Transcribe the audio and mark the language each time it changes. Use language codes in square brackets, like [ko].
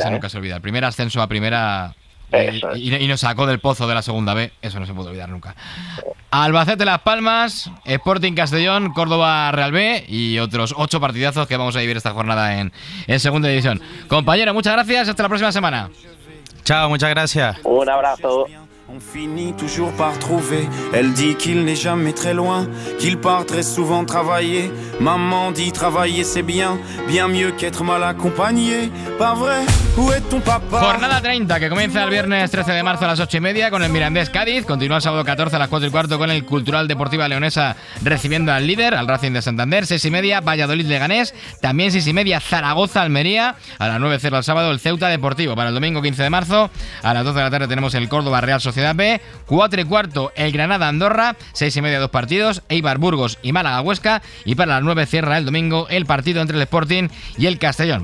[es] Eso nunca se olvida. El primer ascenso a primera... Y nos sacó del pozo de la segunda B. Eso no se puede olvidar nunca. Albacete Las Palmas, Sporting Castellón, Córdoba Real B y otros 8 partidazos que vamos a vivir esta jornada en segunda división. Compañero, muchas gracias, hasta la próxima semana. Chao, muchas gracias. Un abrazo. [fr] On finit toujours par trouver. Elle dit qu'il n'est jamais très loin, qu'il part très souvent travailler. Maman dit travailler c'est bien, bien mieux qu'être mal accompagné. Pas vrai? Où est ton papa? [es] Jornada 30 que comienza el viernes 13 de marzo a las 8:30 con el Mirandés Cádiz. Continúa el sábado 14 a las 4:15 con el Cultural Deportiva Leonesa recibiendo al líder, al Racing de Santander. 6:30 Valladolid Leganés. También 6:30 Zaragoza Almería. A las 9:00 el sábado el Ceuta Deportivo. Para el domingo 15 de marzo a las 12 de la tarde tenemos el Córdoba Real Sociedad B, 4:15 el Granada Andorra, 6:30 dos partidos, Eibar Burgos y Málaga Huesca, y para las 9 cierra el domingo el partido entre el Sporting y el Castellón.